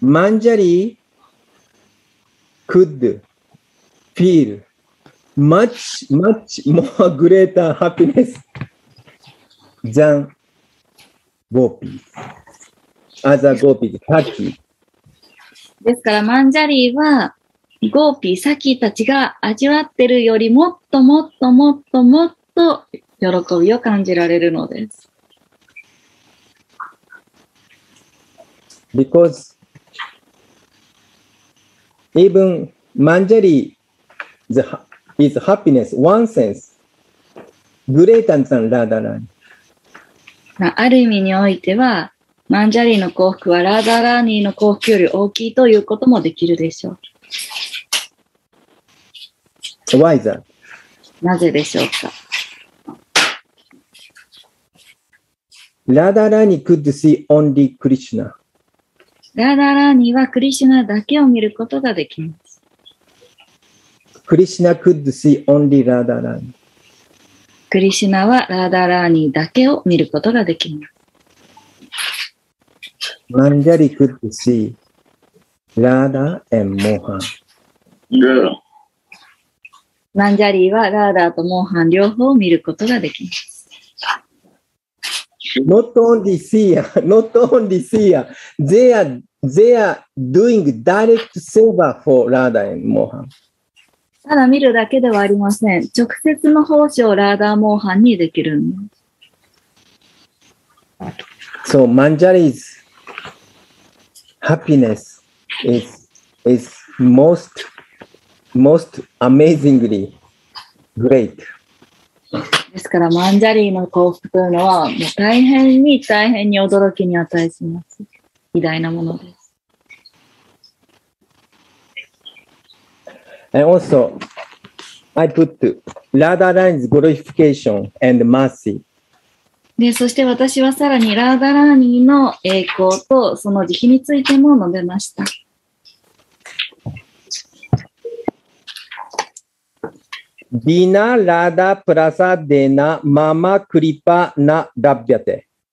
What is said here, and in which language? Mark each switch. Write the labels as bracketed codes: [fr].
[en] マンジャリー could feel much, much more greater happiness than gopis, other gopis, Saki. [ja] ですから、マンジャリーは、ゴーピー、サキーたちが味わってるよりもっともっともっともっと喜びを感じられるのです。 [en] Because even Manjari is happiness, one sense, greater than Radharani. [ja] ある意味においては、マンジャリーの幸福はラダラーニーの幸福より大きいということもできるでしょう。 [en] Why is that? [ja] なぜでしょうか。 [en] ラダラニ could see only Krishna. [ja] ラダラニはクリシュナだけを見ることができます。 [en] クリシュナ could see only ラダラニ。 [ja] クリシュナはラダラニだけを見ることができます。 [en] マンジャリ could see ラダ and モハン。 [ja] マンジャリはラダとモハン両方を見ることができます。 [en] Not only see, not only see, they are doing direct seva for Radha and Mohan. [ja] ただ見るだけではありません。直接の奉仕をラーダーモーハンにできるんです。 [en] So Manjari's happiness is most amazingly great. [ja] ですからマンジャリーの幸福というのはもう大変に大変に驚きに値します。偉大なものです。 [en] And also, I put Radharani's glorification and mercy. [ja] で、そして私はさらにラーダラーニーの栄光とその慈悲についても述べました。 [sa] ビナラダプラサデナママクリパナラビアテ。